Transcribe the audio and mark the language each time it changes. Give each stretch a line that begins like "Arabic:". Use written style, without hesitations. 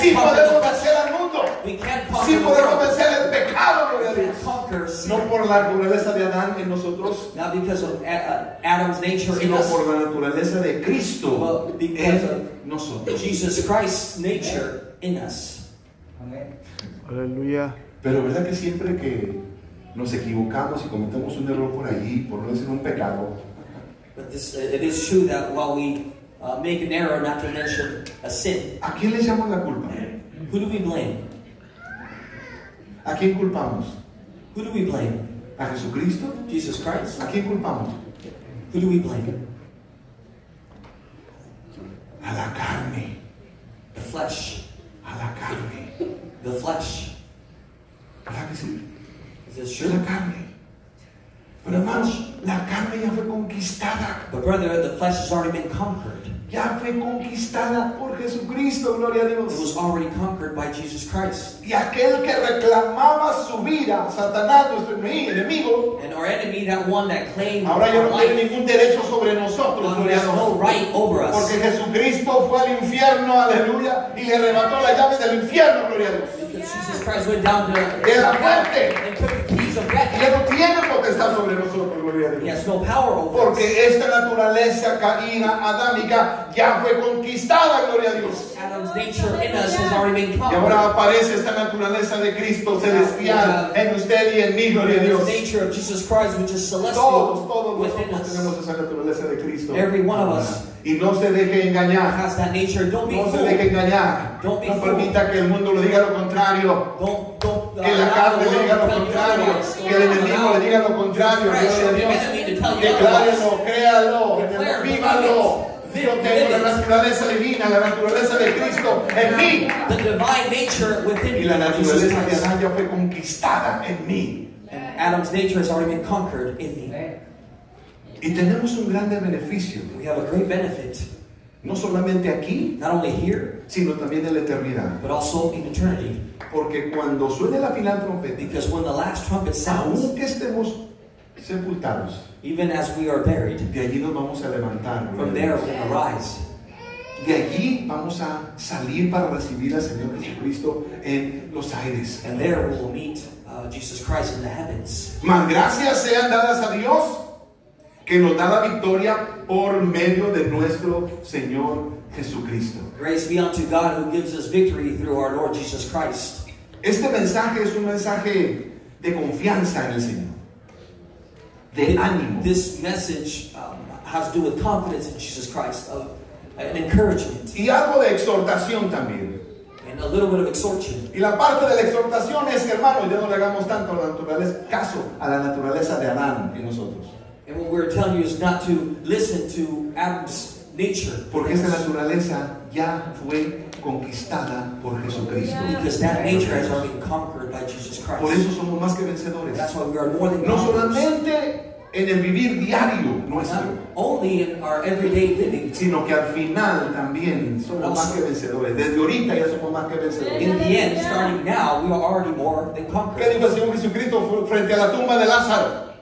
Spanish: sí podemos vencer al mundo. Sí podemos vencer el pecado, gloria a Dios. No por la naturaleza de Adán en nosotros,
English: not because of Adam's nature
Spanish: sino
English: in us,
Spanish: por la naturaleza de Cristo en nosotros.
English: Jesus Christ's nature in us.
Spanish: Aleluya. Pero verdad que siempre que nos equivocamos y cometemos un error por allí, por no decir un pecado.
English: But this, it is true that while we make an error, not to mention a sin.
Spanish: ¿A quién le echamos la culpa?
English: Who do we blame?
Spanish: ¿A quién culpamos?
English: Who do we blame?
Spanish: ¿A Jesucristo?
English: Jesus Christ.
Spanish: ¿A quién culpamos?
English: Who do we blame?
Spanish: A la carne.
English: The flesh.
Spanish: A la carne.
English: The flesh.
Spanish: ¿Verdad que sí?
English: Is this true?
Spanish: La carne. Pero hermano, la carne ya fue conquistada.
English: But brother, the flesh has already been conquered.
Spanish: Ya fue conquistada por Jesucristo, gloria a Dios.
English: It was already conquered by Jesus Christ.
Spanish: Y aquel que reclamaba su vida, Satanás, nuestro enemigo.
English: And our enemy, that one that claimed
Spanish: ahora ya no
English: life,
Spanish: tiene ningún derecho sobre nosotros, gloria a Dios.
English: No right over us.
Spanish: Porque Jesucristo fue al infierno, aleluya, y le arrebató la llave del infierno, gloria a Dios.
English: Jesus Christ went down to
Spanish: de la muerte. Y no tiene potestad sobre nosotros, gloria a Dios.
English: He has no power over
Spanish: porque
English: us.
Spanish: Esta naturaleza caína adámica ya fue conquistada, gloria a Dios.
English: Adam's nature in us has already been conquered.
Spanish: Y ahora aparece esta naturaleza de Cristo celestial en usted y en mí, gloria a Dios.
English: Nature of Jesus Christ, which is celestial.
Spanish: Todos
English: within us.
Spanish: Tenemos esa naturaleza de Cristo.
English: Every one of us.
Spanish: Y no se deje engañar.
English: Has that nature. Don't be
Spanish: no
English: fooled.
Spanish: Se deje engañar.
English: Don't be
Spanish: no permita
English: fooled.
Spanish: Que el mundo lo diga lo contrario.
English: Don't
Spanish: que la carne diga lo contrario. aunque el enemigo le diga lo contrario, Dios de Dios, declárenlo, créalo, vívalo. Yo tengo la naturaleza divina, la naturaleza de Cristo en mí.
English: The divine nature within
Spanish: y la naturaleza de Adán ya fue conquistada en mí.
English: Adam's nature has already been conquered in me.
Spanish: Y tenemos un grande beneficio.
English: We have a great benefit.
Spanish: No solamente aquí,
English: not only here,
Spanish: sino también en la eternidad.
English: But also in eternity.
Spanish: Porque cuando suene la final trompeta,
English: because when the last trumpet sounds,
Spanish: aunque estemos sepultados,
English: even as we are buried,
Spanish: de allí nos vamos a levantar.
English: From there we arise.
Spanish: De allí vamos a salir para recibir al Señor Jesucristo en los aires.
English: And there we will meet Jesus Christ in the heavens.
Spanish: Mas gracias sean dadas a Dios, que nos da la victoria por medio de nuestro Señor Jesucristo.
English: Grace be unto God who gives us victory through our Lord Jesus Christ.
Spanish: Este mensaje es un mensaje de confianza en el Señor. De ánimo.
English: This message has to do with confidence in Jesus Christ, an encouragement.
Spanish: Y algo de exhortación también.
English: And a little bit of exhortation.
Spanish: Y la parte de la exhortación es que, hermano, ya no le hagamos tanto a la naturaleza, caso a la naturaleza de Adán en nosotros.
English: And what we're telling you is not to listen to Adam's nature.
Spanish: Porque esa naturaleza ya fue conquistada por Jesucristo.
English: Because that nature has already been conquered by Jesus Christ.
Spanish: Por eso somos más que vencedores.
English: That's why we are more than conquerors.
Spanish: No solamente en el vivir diario nuestro,
English: not only in our everyday living,
Spanish: sino que al final también somos
English: also,
Spanish: más que vencedores. Desde ahorita ya somos más que vencedores.
English: In the end, starting now, we are already more than conquerors.
Spanish: ¿Qué dijo el Señor Jesucristo frente a la tumba de Lázaro?